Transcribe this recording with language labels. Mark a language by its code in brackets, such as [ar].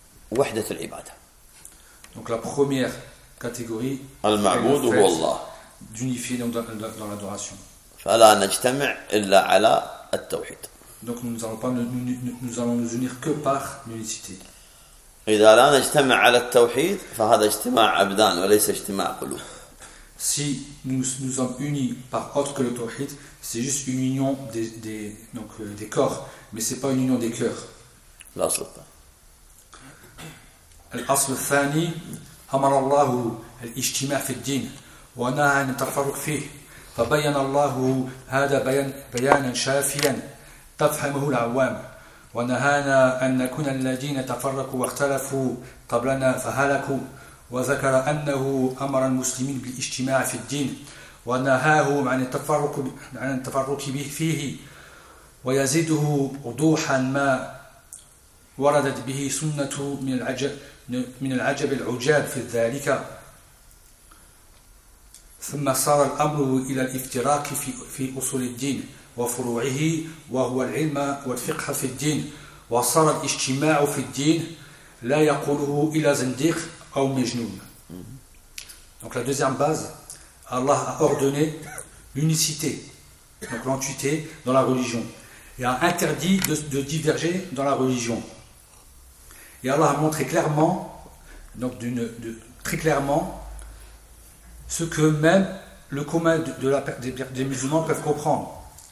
[ar] Wahdat al-ibada. [fr] Donc la première catégorie, [ar] al-ma'budu huwa Allah. [fr] D'unifier donc dans l'adoration. [ar] Fala najtami' illa ala at-tawhid. [fr] Donc nous allons nous unir que par l'unicité. [ar] إذا لا نجتمع على التوحيد فهذا اجتماع أبدان وليس اجتماع قلوب. [fr] Si nous sommes unis par autre que le tawhid, c'est juste une union des corps, mais c'est pas une union des cœurs. [ar] الأصل الثاني أمر الله الاجتماع في الدين ونهى عن التفرق فيه فبين الله هذا بيانا شافيا تفهمه العوام. ونهانا أن نكون الذين تفرقوا واختلفوا قبلنا فهلكوا وذكر أنه أمر المسلمين بالاجتماع في الدين ونهاهم عن التفرق به فيه ويزيده وضوحا ما وردت به سنة من العجب العجاب في ذلك ثم صار الأمر إلى الافتراق في أصول الدين وفروعه وهو العلم والفقه في الدين وصار الاجتماع في الدين لا يقوله إلا زنديق أو مجنون. [fr] Donc la deuxième base, Allah a ordonné l'unicité, donc l'entité dans la religion, et a interdit de diverger dans la religion. Et Allah a montré clairement, donc très clairement, ce que même le commun des musulmans peuvent comprendre.